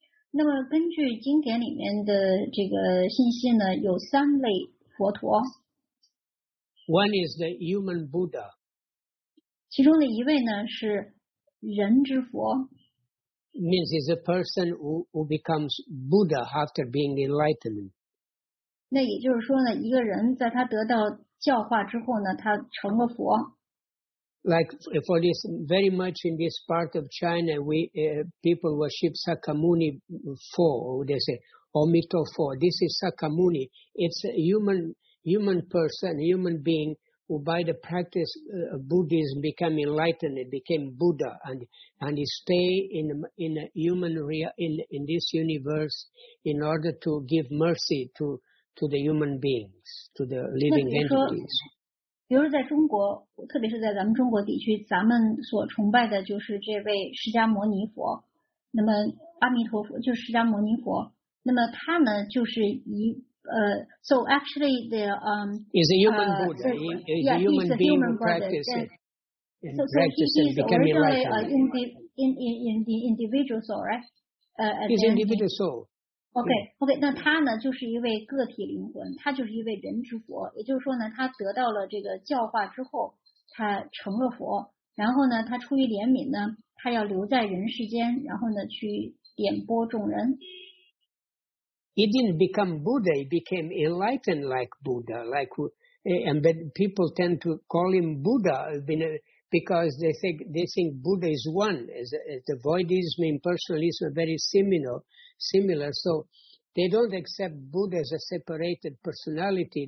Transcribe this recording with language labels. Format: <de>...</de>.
<zh>那么根据经典里面的这个信息呢，有三类佛陀。</zh> <en>One is the human Buddha.</en> <zh>其中的一位呢是人之佛。</zh> <en>Means is a person who becomes Buddha after being enlightened.</en> <zh>那也就是说呢，一个人在他得到教化之后呢，他成了佛。</zh> <en>like for this, very much in this part of China, people worship Sakamuni Fo, they say, Omito Fo. This is Sakamuni. It's a human person, human being, who by the practice of Buddhism became enlightened, became Buddha, and he stay in a human in this universe in order to give mercy to the human beings, to the living entities.</en> <zh>比如在中国, 特别是在咱们中国地区, 咱们所崇拜的就是这位释迦牟尼佛, 那么阿弥陀佛, 就是释迦牟尼佛, 那么他呢就是一,</zh> <en>so actually the is a human Buddha, yeah, a human he's a being human who practices so he's originally in the individual soul, right? His individual soul.</en> <zh>OK, 那他呢就是一位个体灵魂, 他就是一位人之佛, 也就是说呢, 他得到了这个教化之后, 他成了佛, 然后呢, 他出于怜悯呢, 他要留在人世间, 然后呢, 去点拨众人。</zh> <en>He didn't become Buddha, he became enlightened like Buddha, but people tend to call him Buddha because they think Buddha is one, as the voidism and impersonalism are very similar, so they don't accept Buddha as a separated personality.</en>